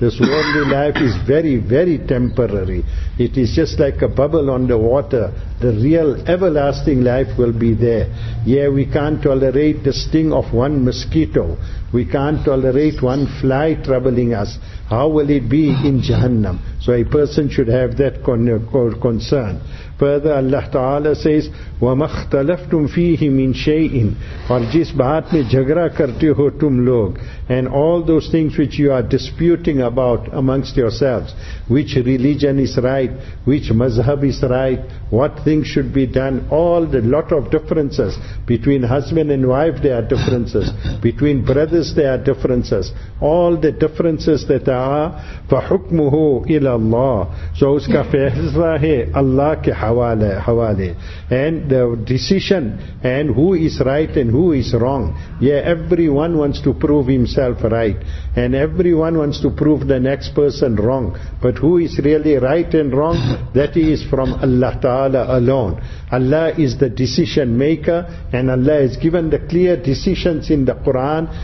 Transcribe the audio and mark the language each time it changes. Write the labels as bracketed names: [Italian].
[English] This worldly life is very, very temporary. It is just like a bubble on the water. The real everlasting life will be there. Yeah, we can't tolerate the sting of one mosquito. We can't tolerate one fly troubling us. How will it be in Jahannam? So a person should have that concern. Further, Allah Ta'ala says, [Arabic] وَمَا اخْتَلَفْتُمْ فِيهِ مِنْ شَيْءٍ. [Urdu] اور جس بات میں جھگرا کرتے ہو تم لوگ. [English] And all those things which you are disputing about amongst yourselves. Which religion is right? Which mazhab is right? What things should be done? All the lot of differences. Between husband and wife there are differences. Between brothers there are differences. All the differences that are, [Arabic] فَحُكْمُهُ إِلَى اللَّهِ. [English] So [Urdu] اس کا فیصلہ ہے اللہ کے حوالے. [English] And the decision and who is right and who is wrong. Yeah, everyone wants to prove himself right. And everyone wants to prove the next person wrong. But who is really right and wrong? That is from Allah Ta'ala alone. Allah is the decision maker and Allah has given the clear decisions in the Quran.